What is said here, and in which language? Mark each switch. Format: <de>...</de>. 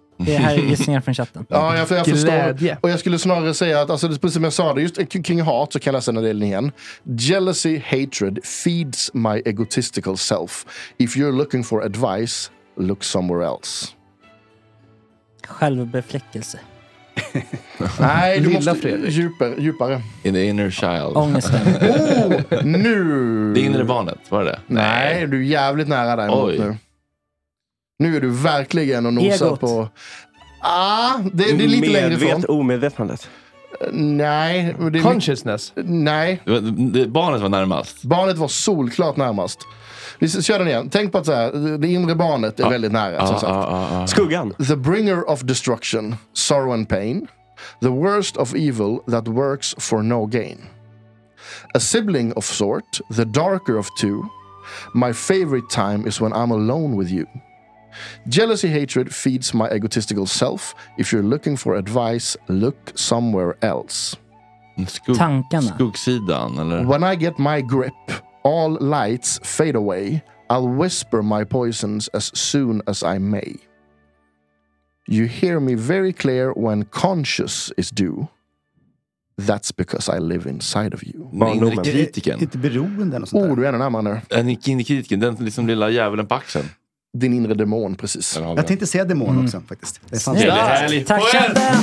<sv>Det här är gissningar från chatten. Ja, jag förstår. Och jag skulle snarare säga att, alltså, precis som jag sa det, just kring hat så kan jag läsa den här delen igen.</sv> <en>Jealousy, hatred feeds my egotistical self. If you're looking for advice, look somewhere else.</en> <sv>Självbefläckelse. Nej, du lilla måste djupare.</sv> <en>In the inner child.</en> <sv>Ångesten. Nu. Det inre barnet, var det? Nej, du är jävligt nära där nu. Nu är du verkligen och nosar på. Det är lite längre ifrån. Medvetet, omedvetandet. Nej, det är consciousness. Nej. Barnet var närmast. Barnet var solklart närmast. Vi kör den igen. Tänk på att så här, det inre barnet är väldigt nära. Skuggan.</sv> <en>The bringer of destruction, sorrow and pain. The worst of evil that works for no gain. A sibling of sort, the darker of two. My favorite time is when I'm alone with you. Jealousy, hatred feeds my egotistical self. If you're looking for advice, look somewhere else.</en> <sv>Tankarna. Skuggsidan, eller?</sv> <en>When I get my grip, all lights fade away. I'll whisper my poisons as soon as I may. You hear me very clear when conscious is due. That's because I live inside of you.</en> <sv>Inre kritiken. Inte beroende eller sånt där. Du är en annan där. Inre kritiken, den liksom lilla djävulen på axeln. Din inre demon, precis. Jag tänkte säga demon också, faktiskt. Det är härligt. Tack så mycket.</sv>